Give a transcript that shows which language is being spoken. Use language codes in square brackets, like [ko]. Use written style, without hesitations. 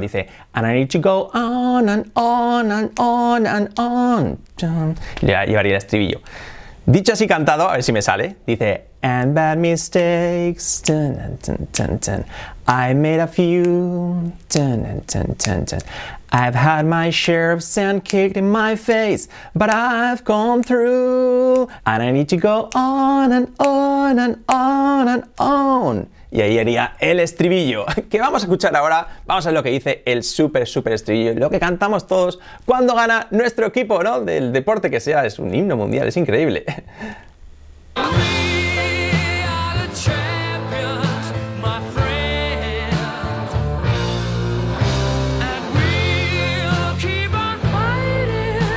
[es] Dice, [en] and I need to go on and on and on and on. [es] Ya llevaría el estribillo. Dicho así cantado, a ver si me sale. Dice, [en] and bad mistakes. Dun, dun, dun, dun, dun. I made a few. Dun, dun, dun, dun, dun. I've had my share of sand kicked in my face, but I've gone through. And I need to go on and on and on and on. [es] Y ahí haría el estribillo, que vamos a escuchar ahora. Vamos a ver lo que dice el súper, súper estribillo. Lo que cantamos todos cuando gana nuestro equipo, ¿no? Del deporte que sea, es un himno mundial, es increíble. [en] We are the champions, my friend. And we'll keep on fighting.